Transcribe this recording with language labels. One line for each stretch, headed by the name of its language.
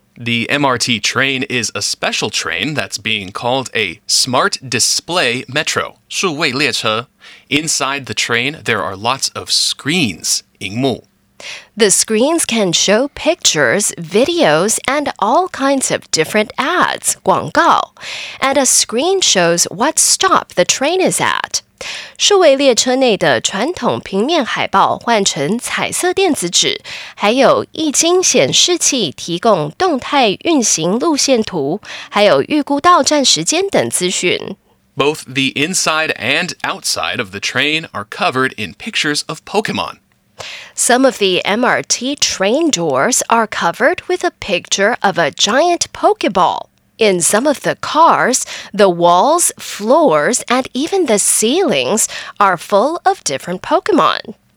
English: The MRT train is a special train that's being called a Smart Display Metro, 数位列车. Inside the train, there are lots of screens, 荧幕. The screens can show pictures, videos, and all kinds of different ads, 广告. And a screen shows what stop the train is at.
Chinese: 数位列车内的传统平面海报换成彩色电子纸，还有液晶显示器提供动态运行路线图，还有预估到站时间等资讯。
English: Both the inside and outside of the train are covered in pictures of Pokemon. Some of the MRT train doors are covered with a picture of a giant Pokeball. In some of the cars, the walls, floors, and even the ceilings are full of different Pokemon.